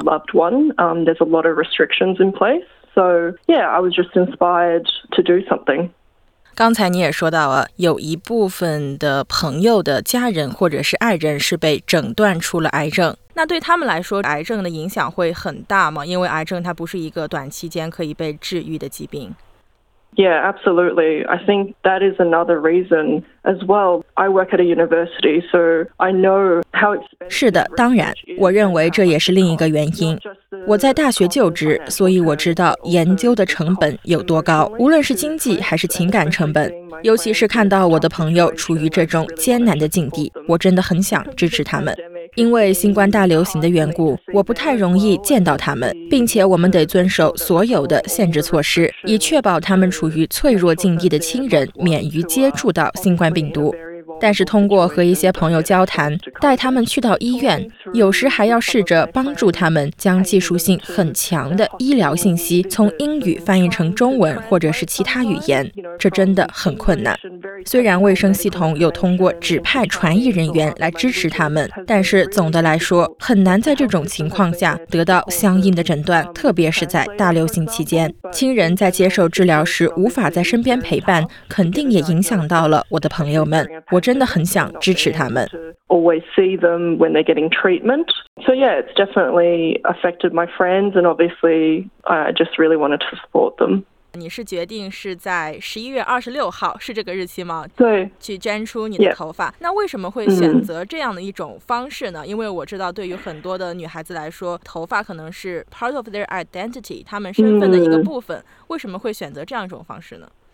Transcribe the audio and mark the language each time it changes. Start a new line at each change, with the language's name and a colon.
English: Loved one, there's a lot of restrictions in place, so yeah, I was just inspired to do something.
Chinese: 刚才你也说到了，有一部分的朋友的家人或者是爱人是被诊断出了癌症。那对他们来说，癌症的影响会很大吗？因为癌症它不是一个短期间可以被治愈的疾病。
English: Yeah, absolutely. I think that is another reason as well. I work at a university, so I know how expensive.
Chinese: 是的，当然，我认为这也是另一个原因。我在大学就职，所以我知道研究的成本有多高，无论是经济还是情感成本。尤其是看到我的朋友处于这种艰难的境地，我真的很想支持他们。因为新冠大流行的缘故，我不太容易见到他们，并且我们得遵守所有的限制措施，以确保他们处于脆弱境地的亲人免于接触到新冠病毒。但是通过和一些朋友交谈，带他们去到医院，有时还要试着帮助他们将技术性很强的医疗信息从英语翻译成中文或者是其他语言，这真的很困难。虽然卫生系统有通过指派传译人员来支持他们，但是总的来说，很难在这种情况下得到相应的诊断，特别是在大流行期间。亲人在接受治疗时无法在身边陪伴，肯定也影响到了我的朋友们。我真的很想支持他们。
English: Always see them when they're getting treatment. So yeah, it's definitely affected my friends, and obviously, I just really wanted to support them.
Chinese: 你是决定是在11月26号，是这个日期吗？对，去捐出你的头发。
English: Yeah.
Chinese: 那为什么会选择这样的一种方式呢？因为我知道，对于很多的女孩子来说，头发可能是
English: part of their identity，
Chinese: 她们身份的一个部分。为什么会选择这样一种方式呢？